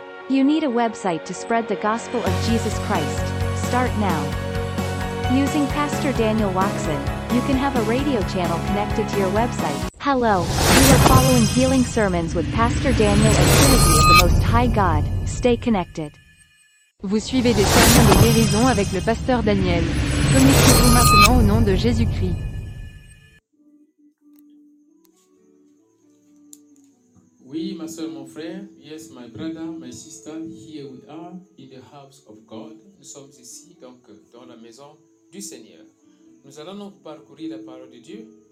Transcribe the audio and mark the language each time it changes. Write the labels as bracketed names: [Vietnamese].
[English] You need a website to spread the gospel of Jesus Christ. Start now. Using Pastor Daniel Watson, you can have a radio channel connected to your website. Hello, you are following Healing Sermons with Pastor Daniel and Trinity of the Most High God. Stay connected. [French] Vous suivez des sermons de guérison avec le pasteur Daniel. Connectez-vous maintenant au nom de Jésus-Christ. Oui, ma soeur, mon frère. [English] Yes, my brother, my sister. Here we are in the house of God. [French] Nous sommes ici, donc, dans la maison du Seigneur. Nous allons donc parcourir la parole de Dieu.